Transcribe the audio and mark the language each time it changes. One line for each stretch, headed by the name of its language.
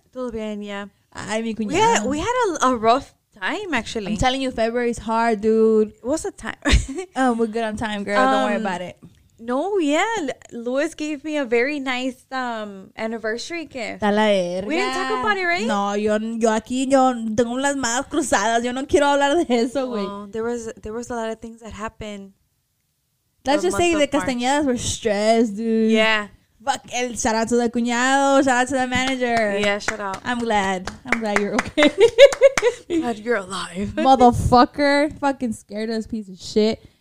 Spanish: Todo bien, yeah. Ay, mi cuñado.
English: Yeah, we had a rough time, actually. I'm telling you, February's hard, dude. What's the time? Oh, we're good on time, girl. Don't worry about it. No, yeah. Luis gave me a very nice anniversary gift.
Spanish: Está la verga.
English: We didn't talk about it, right?
Spanish: No, yo aquí, yo tengo las manos cruzadas. Yo no quiero hablar de eso, güey.
English: Well, there was a lot of things that happened. Let's just say the Castañedas were stressed, dude. Yeah. Fuck, and shout out to the cuñado, shout out to the manager. Yeah, shout out. I'm glad you're okay. Glad you're alive. Motherfucker, fucking scared us, piece of shit.